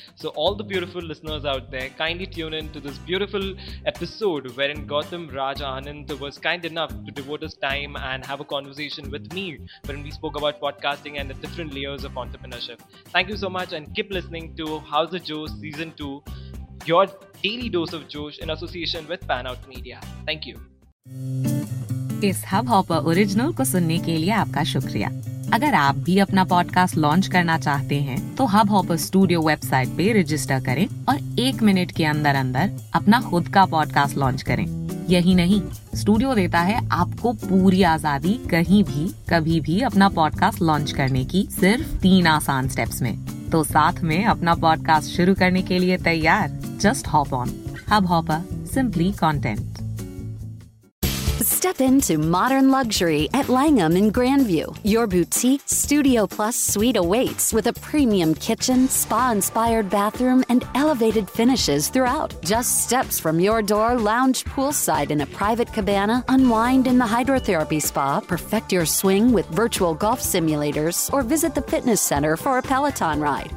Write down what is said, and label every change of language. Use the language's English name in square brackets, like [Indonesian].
[English] So all the beautiful listeners out there, kindly tune in to this beautiful episode wherein Gautam Raj Anand was kind enough to devote his time and have a conversation with me wherein we spoke about podcasting and the different layers of entrepreneurship. Thank you so much and keep listening to House of Joe Season 2, your daily dose of Josh in association with Panout Media. Thank you. [Hindi] इस hub hopper original को सुनने के लिए आपका शुक्रिया अगर आप भी अपना पॉडकास्ट लॉन्च करना चाहते हैं तो हब हॉपर स्टूडियो वेबसाइट पे रजिस्टर करें और एक मिनट के अंदर अंदर अपना खुद का पॉडकास्ट लॉन्च करें यही नहीं स्टूडियो देता है आपको पूरी आजादी कहीं भी कभी भी अपना पॉडकास्ट लॉन्च करने की सिर्फ 3 आसान स्टेप्स में तो साथ में अपना पॉडकास्ट शुरू करने के लिए तैयार [English] just hop on [Hindi] hub hopper simply content [English] Step into modern luxury at Langham in Grandview. Your boutique, studio plus suite awaits with a premium kitchen, spa-inspired bathroom, and elevated finishes throughout. Just steps from your door, lounge poolside in a private cabana, unwind in the hydrotherapy spa, perfect your swing with virtual golf simulators, or visit the fitness center for a Peloton ride.